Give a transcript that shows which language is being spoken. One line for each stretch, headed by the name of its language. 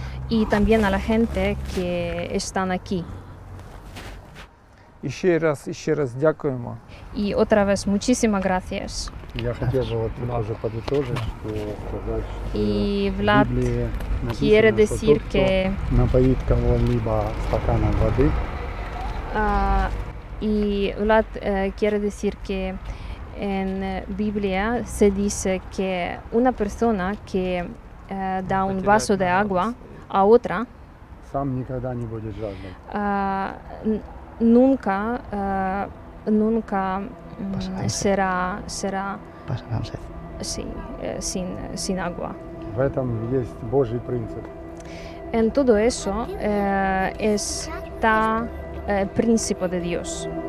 Spanish: И también a la gente que están aquí.
Russian: Ещё раз дякуємо.
Spanish: И otra vez muchísimas gracias.
Russian: Я хотел бы вот уже подытожить, что сказать, что
Spanish: и Влад quiere decir que
Russian: напоит кого-либо стаканом воды.
Spanish: И Влад quiere decir que en Biblia se dice que una persona que da un vaso de agua a otra
Russian: сам никогда не будет жадным.
Spanish: Nunca será pasarán sed. sin agua.
Russian: В этом есть Божий принцип.
Spanish: En todo eso está el principio de Dios.